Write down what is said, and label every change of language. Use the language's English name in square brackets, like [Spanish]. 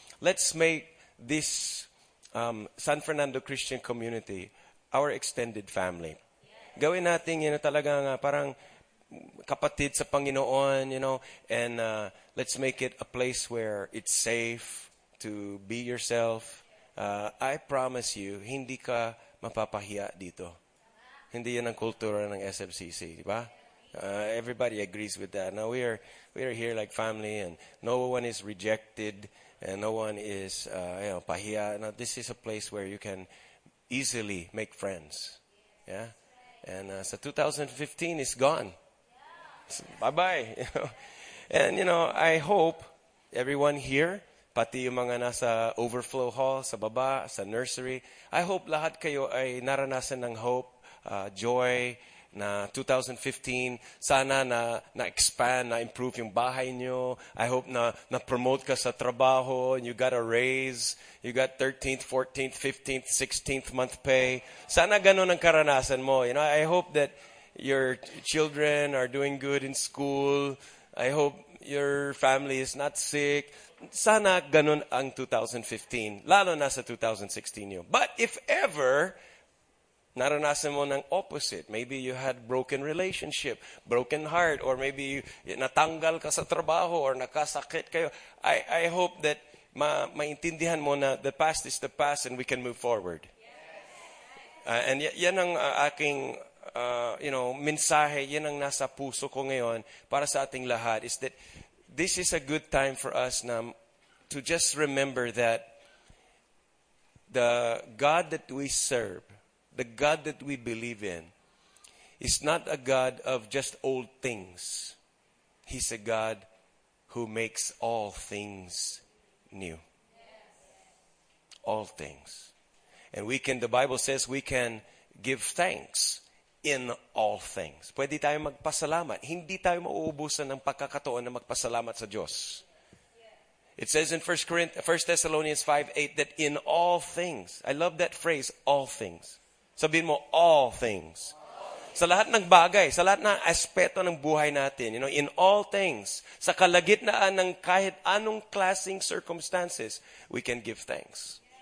[English] Let's make this San Fernando Christian Community our extended family. [Filipino] Gawin natin, [English] you know, [Filipino] talagang parang kapatid sa Panginoon, [English] you know, and let's make it a place where it's safe to be yourself. I promise you, [Filipino] hindi ka mapapahiya dito. Hindi yan ang kultura ng SFCC, di ba? [English] Everybody agrees with that. Now, we are here like family and no one is rejected and no one is, you know, pahiya. Now, this is a place where you can easily make friends. Yeah? And so 2015 is gone. So, bye-bye. And, you know, I hope everyone here, [Filipino] pati yung mga nasa [English] overflow hall, [Filipino] sa baba, [English] sa nursery. I hope [Filipino] lahat kayo ay naranasan ng [English] hope, joy [Filipino] na 2015. Sana na-expand, na-improve yung bahay nyo. [English] I hope [Filipino] na-promote ka sa trabaho [English] and you got a raise. You got 13th, 14th, 15th, 16th month pay. [Filipino] Sana ganun ang karanasan mo. [English] You know, I hope that your children are doing good in school. I hope your family is not sick. [Filipino] Sana ganun ang 2015, lalo na sa 2016 yun. [English] But if ever, [Filipino] naranasan mo ng [English] opposite, maybe you had broken relationship, broken heart, or maybe [Filipino] natanggal ka sa trabaho, [English] or [Filipino] nakasakit kayo, [English] I hope that [Filipino] maintindihan mo na [English] the past is the past and we can move forward. Yes. And [Filipino] yan ang aking, [English] you know, [Filipino] mensahe, yan ang nasa puso ko ngayon para sa ating lahat, [English] is that this is a good time for us now to just remember that the God that we serve, the God that we believe in, is not a God of just old things. He's a God who makes all things new. All things. And we can, the Bible says, we can give thanks in all things. [Filipino] Pwede tayo magpasalamat. Hindi tayo mauubusan ng pagkakataon na magpasalamat sa Diyos. [English] It says in 1 Thessalonians 5:8 that in all things, I love that phrase, all things. [Filipino] Sabihin mo, [English] all things. [Filipino] Sa lahat ng bagay, sa lahat ng aspeto ng buhay natin, [English] you know, in all things, [Filipino] sa kalagitnaan ng kahit anong klaseng circumstances, [English] we can give thanks.